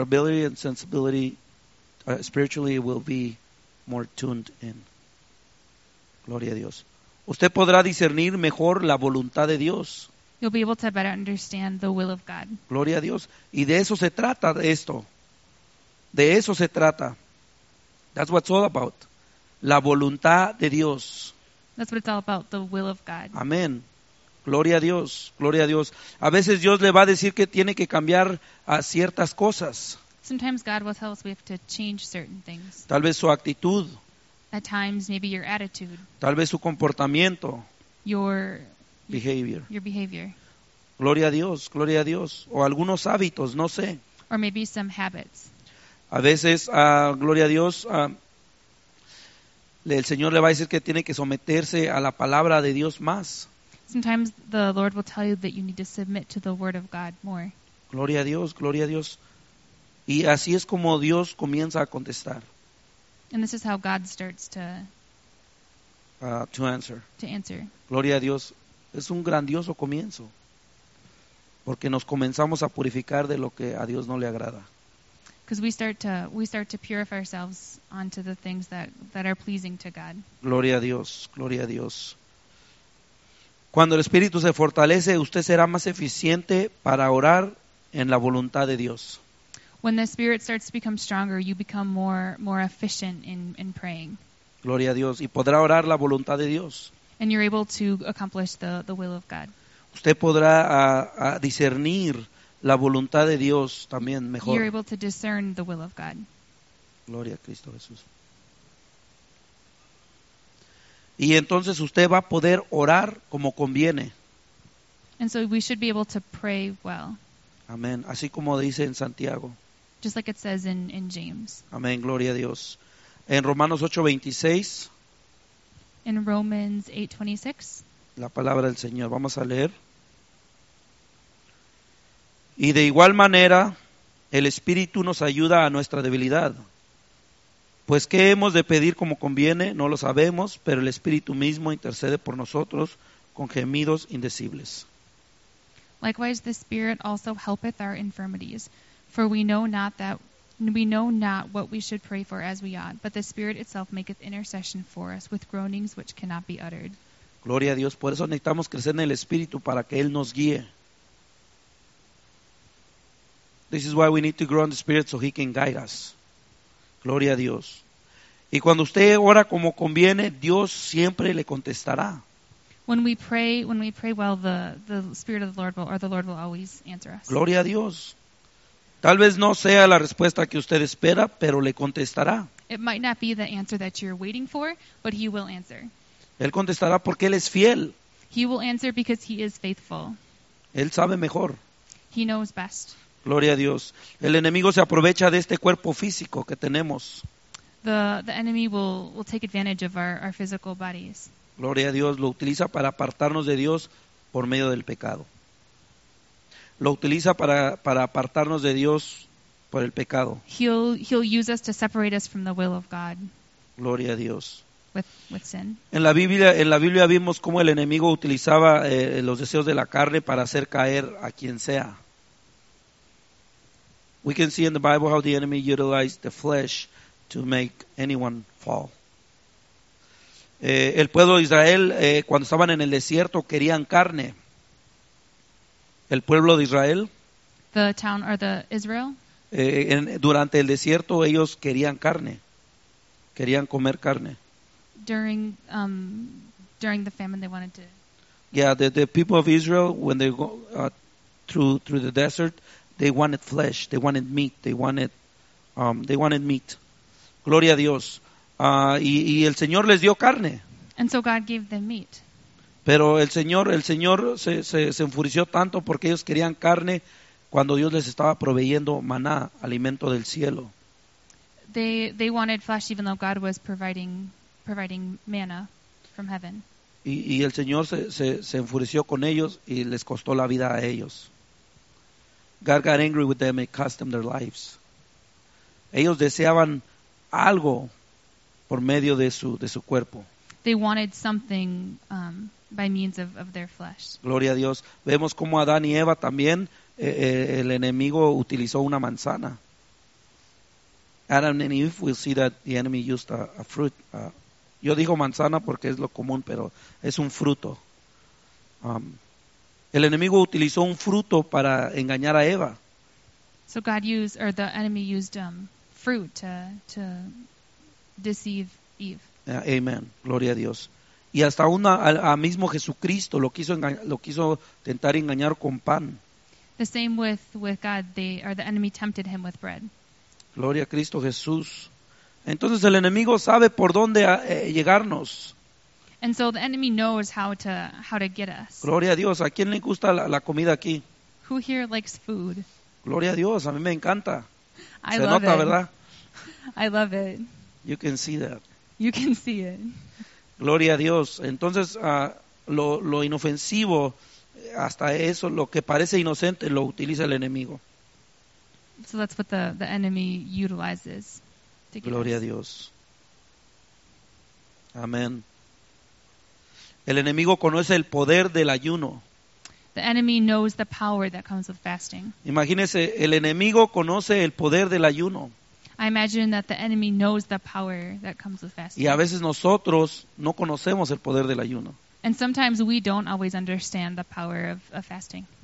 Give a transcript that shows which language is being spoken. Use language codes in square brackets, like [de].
[en] ability and sensibility spiritually will be more tuned in. [es] Gloria a Dios. Usted podrá discernir mejor la voluntad de Dios. [en] You'll be able to better understand the will of God. [es] Gloria a Dios. Y de eso se trata esto. De eso se trata. [en] That's what it's all about. [es] La voluntad de Dios. [en] That's what it's all about, the will of God. [es] Amén. Gloria a Dios. Gloria a Dios. A veces Dios le va a decir que tiene que cambiar a ciertas cosas. [en] Sometimes God will tell us we have to change certain things. [es] Tal vez su actitud. [en] At times, maybe your attitude. [es] Tal vez su comportamiento. [en] Your behavior. Your behavior. [es] Gloria a Dios, gloria a Dios. O algunos hábitos, no sé. [en] Or maybe some habits. [es] A veces, gloria a Dios, el Señor le va a decir que tiene que someterse a la palabra de Dios más. [en] Sometimes the Lord will tell you that you need to submit to the word of God more. [es] Gloria a Dios, gloria a Dios. Y así es como Dios comienza a contestar. [en] And this is how God starts to answer. [es] Gloria a Dios. Es un grandioso comienzo. Porque nos comenzamos a purificar de lo que a Dios no le agrada. [en] Because we start to purify ourselves onto the things that are pleasing to God. [es] Gloria a Dios. Gloria a Dios. Cuando el Espíritu se fortalece, usted será más eficiente para orar en la voluntad de Dios. [en] When the Spirit starts to become stronger, you become more efficient in praying. [es] Gloria a Dios. Y podrá orar la voluntad de Dios. [en] And you're able to accomplish the will of God. [es] Usted podrá discernir la voluntad de Dios también mejor. [en] You're able to discern the will of God. [es] Gloria a Cristo Jesús. Y entonces usted va a poder orar como conviene. [en] And so we should be able to pray well. [es] Amén. Así como dice en Santiago. [en] Just like it says in James. [es] Amén. Gloria a Dios. En Romanos 8:26. [en] In Romans 8:26. [es] La palabra del Señor. Vamos a leer. Y de igual manera, el Espíritu nos ayuda a nuestra debilidad. Pues, ¿qué hemos de pedir como conviene? No lo sabemos, pero el Espíritu mismo intercede por nosotros con gemidos indecibles. [en] Likewise, the Spirit also helpeth our infirmities. For we know not what we should pray for as we ought, but the Spirit itself maketh intercession for us with groanings which cannot be uttered. [es] Gloria a Dios. Por eso necesitamos crecer en el Espíritu para que Él nos guíe. [en] This is why we need to grow in the Spirit so He can guide us. [es] Gloria a Dios. Y cuando usted ora como conviene, Dios siempre le contestará. [en] When we pray well, the Spirit of the Lord will always answer us. [es] Gloria a Dios. Tal vez no sea la respuesta que usted espera, pero le contestará. [en] It might not be the answer that you're waiting for, but He will answer. [es] Él contestará porque Él es fiel. [en] He will answer because He is faithful. [es] Él sabe mejor. [en] He knows best. [es] Gloria a Dios. El enemigo se aprovecha de este cuerpo físico que tenemos. [en] The enemy will take advantage of our physical bodies. [es] Gloria a Dios. Lo utiliza para apartarnos de Dios por medio del pecado. Lo utiliza para apartarnos de Dios por el pecado. [en] He'll use us to separate us from the will of God. [es] Gloria a Dios. [en] With sin. [es] En la Biblia vimos cómo el enemigo utilizaba los deseos de la carne para hacer caer a quien sea. [en] We can see in the Bible how the enemy utilized the flesh to make anyone fall. [es] El pueblo de Israel, cuando estaban en el desierto, querían carne. El pueblo de Israel. [en] The town or the Israel. [es] Durante el desierto, ellos querían carne. Querían comer carne. [en] During the famine, they wanted to. Yeah, the people of Israel, when they go through the desert, they wanted flesh. They wanted meat. They wanted meat. [es] Gloria a Dios. Y el Señor les dio carne. [en] And so God gave them meat. [es] Pero el Señor se enfureció tanto porque ellos querían carne cuando Dios les estaba proveyendo maná, alimento del cielo. [en] They wanted flesh even though God was providing manna from heaven. [es] Y el Señor se enfureció con ellos y les costó la vida a ellos. [en] God got angry with them and cost them their lives. [es] Ellos deseaban algo por medio de su cuerpo. [en] They wanted something by means of their flesh. [es] Gloria a Dios. Vemos cómo Adán y Eva también el enemigo utilizó una manzana. [en] Adam and Eve, we see that the enemy used a fruit. [es] Yo digo manzana porque es lo común, pero es un fruto. El enemigo utilizó un fruto para engañar a Eva. [en] So God used, or the enemy used fruit to deceive Eve. [es] Amen. Gloria a Dios. Y hasta a mismo Jesucristo lo quiso tentar engañar con pan. [en] The same with God, the enemy tempted him with bread. [es] Gloria a Cristo Jesús. Entonces el enemigo sabe por dónde llegarnos. [en] And so the enemy knows how to get us. [es] Gloria a Dios. ¿A quién le gusta la comida aquí? [en] Who here likes food? [es] Gloria a Dios. A mí me encanta. [en] I [es] Se [en] love [es] nota, [en] it. [es] ¿Verdad? [en] I love it. You can see that. You can see it. [es] Gloria a Dios. Entonces, lo inofensivo, hasta eso, lo que parece inocente, lo utiliza el enemigo. [en] So that's what the enemy utilizes. [es] Gloria a Dios. Amén. El enemigo conoce el poder del ayuno. [en] The enemy knows the power that comes with fasting. [es] Imagínese, el enemigo conoce el poder del ayuno. [en] I imagine that the enemy knows the power that comes with fasting. [es] Y a veces nosotros no conocemos el poder del ayuno. [en] And sometimes we don't always understand the power of fasting.